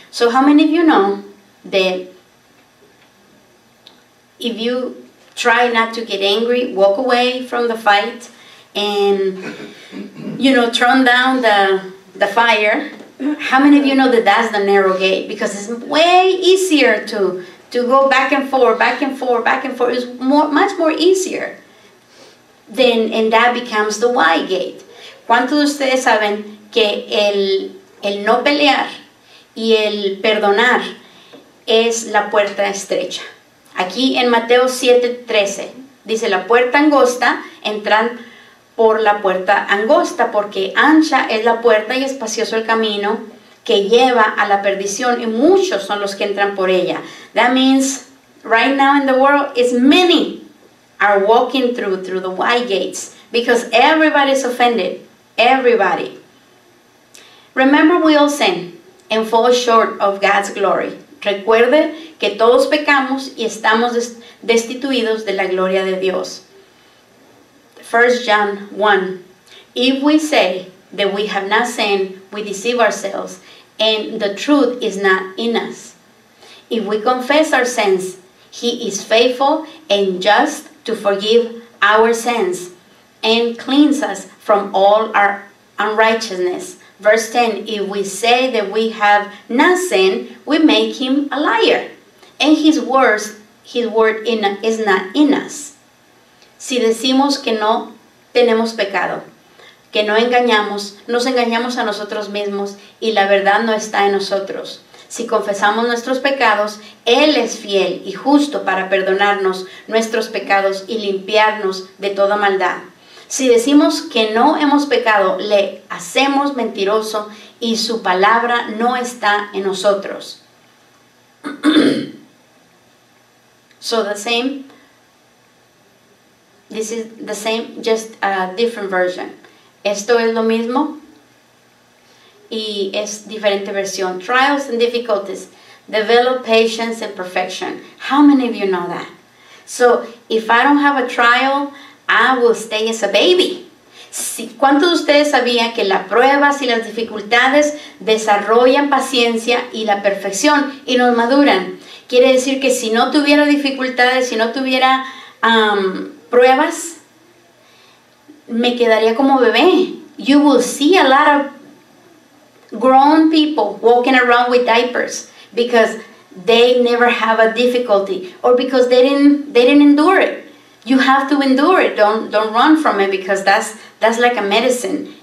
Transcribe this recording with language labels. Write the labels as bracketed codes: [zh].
[en] So how many of you know that if you try not to get angry, walk away from the fight, and, you know, turn down the fire, how many of you know that that's the narrow gate? Because it's way easier to go back and forth, back and forth, back and forth. It's much more easier than, and that becomes the wide gate. [es] ¿Cuántos de ustedes saben que el no pelear y el perdonar es la puerta estrecha? Aquí en Mateo 7:13 dice, la puerta angosta, entran por la puerta angosta, porque ancha es la puerta y espacioso el camino que lleva a la perdición, y muchos son los que entran por ella. [en] That means right now in the world is many are walking through the wide gates, because everybody is offended, everybody. Remember, we all sin and fall short of God's glory. [es] Recuerde que todos pecamos y estamos destituidos de la gloria de Dios. [en] 1 John 1. If we say that we have not sinned, we deceive ourselves, and the truth is not in us. If we confess our sins, he is faithful and just to forgive our sins and cleanse us from all our unrighteousness. Verse 10, if we say that we have not sinned, we make him a liar, and his word is not in us. [es] Si decimos que no tenemos pecado, que no engañamos, nos engañamos a nosotros mismos, y la verdad no está en nosotros. Si confesamos nuestros pecados, él es fiel y justo para perdonarnos nuestros pecados y limpiarnos de toda maldad. Si decimos que no hemos pecado, le hacemos mentiroso y su palabra no está en nosotros. [en] So the same, this is the same, just a different version. [es] Esto es lo mismo y es diferente versión. [en] Trials and difficulties, develop patience and perfection. How many of you know that? So if I don't have a trial, I will stay as a baby. [es] ¿Cuántos de ustedes sabían que las pruebas y las dificultades desarrollan paciencia y la perfección y nos maduran? Quiere decir que si no tuviera dificultades, si no tuviera pruebas, me quedaría como bebé. [en] You will see a lot of grown people walking around with diapers because they never have a difficulty, or because they didn't endure it. You have to endure it. Don't run from it, because that's like a medicine.